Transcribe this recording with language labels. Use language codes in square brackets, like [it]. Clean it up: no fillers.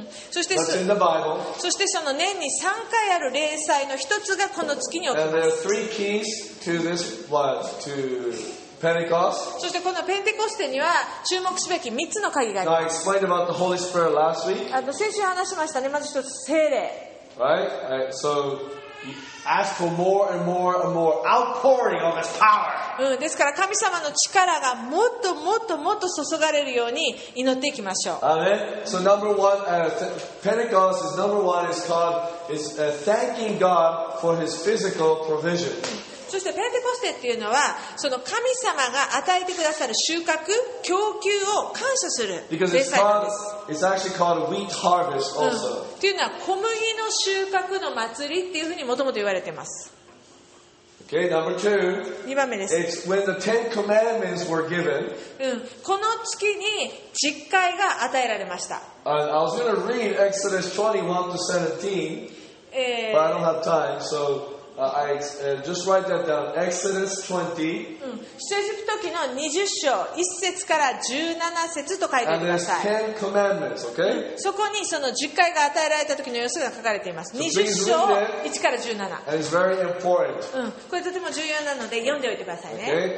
[ja] そして その年に3回ある例祭の一つがこの月に起きます。 [en] Pentecost. [ja] そしてこのペンテコステには注目すべき3つの鍵があります。 [en] I explained about the Holy Spirit last week. [ja] 先週話しましたね。まず一つ聖霊、 [en] right? Right. So,Ask for more and more and more outpouring of His power. [ja] ですから神様の力がもっともっともっと注がれるように祈っていきましょう。 [en] Amen. So number one, Pentecost is number one is called is thanking God for His physical provision. [ja] そしてペンテコステっていうのはその神様が与えてくださる収穫供給を感謝する礼祭です。 [en] Because it's actually called wheat harvest also. [ja] っていうのは小麦の収穫の祭りっていうふうにもともと言われてます。 [en] Okay, number two, [ja] 2番目です。 [en] It's when the Ten Commandments were given. [ja] この月に十戒が与えられました。 [en] And I was going to read Exodus 21-17, but I don't have time, so I just write that down. Exodus 20. [ja] 出エジプト記の20章1節から17節と書いてください。 [en] And there's 10 commandments, okay? [ja] そこにその10回が与えられた時の様子が書かれています。 20章1から17。 [en] And it's very important. [ja] これとても重要なので読んでおいてくださいね。